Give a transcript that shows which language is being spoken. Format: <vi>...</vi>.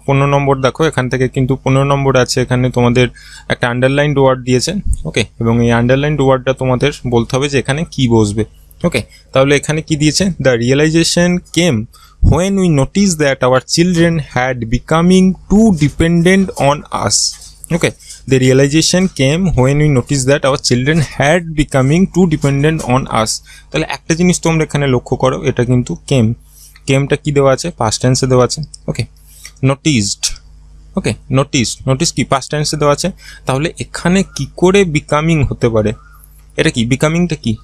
<bn>পনেরো নম্বর দেখো এখান থেকে, কিন্তু পনেরো নম্বর আছে এখানে তোমাদের একটা আন্ডারলাইনড ওয়ার্ড দিয়েছে। ওকে, এবং এই আন্ডারলাইনড ওয়ার্ডটা তোমাদের বলতে হবে যে এখানে কী বসবে। ওকে, তাহলে এখানে কী দিয়েছে?</bn> <en>The realization came when we notice that our children had becoming too dependent on us. Okay, the realization came when we noticed that our children had becoming too dependent on us.</en> <bn>তাহলে একটা জিনিস তোমরা এখানে লক্ষ্য করো, এটা কিন্তু came. Came টা কি দেওয়া আছে? Past tense দেওয়া আছে.</bn> <en>Okay, noticed. Okay, noticed. Notice কি? Past tense</en> <bn>দেওয়া আছে. তাহলে এখানে কি করে becoming হতে পারে? এটা কি? Becoming টা কি?</bn>